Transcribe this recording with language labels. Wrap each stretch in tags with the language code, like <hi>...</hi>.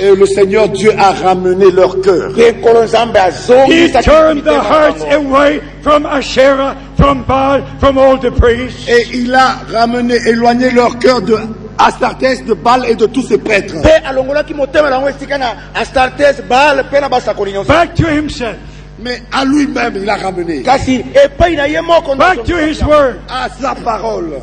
<fr>Et le Seigneur Dieu a ramené leur cœur.</fr> <en>He turned the hearts away from Asherah, from Baal, from all the priests.</en> <fr>Et il a ramené, éloigné leur cœur de Astartès, de Baal et de tous ses prêtres.</fr> <en>Back to himself.</en> <fr>Mais à lui-même, il a ramené.</fr> <en>Back to his word.</en> <fr>À sa parole.</fr>